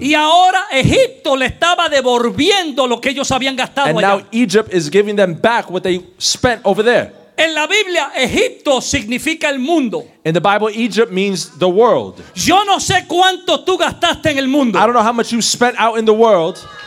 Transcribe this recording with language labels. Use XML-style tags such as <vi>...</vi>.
<es>Y ahora Egipto le estaba devolviendo lo que ellos habían gastado allá.</es> <en>And now Egypt is giving them back what they spent over there.</en> <es>En la Biblia, Egipto significa el mundo.</es> <en>In the Bible, Egypt means the world.</en> <es>Yo no sé cuánto tú gastaste en el mundo.</es> <en>I don't know how much you spent out in the world.</en>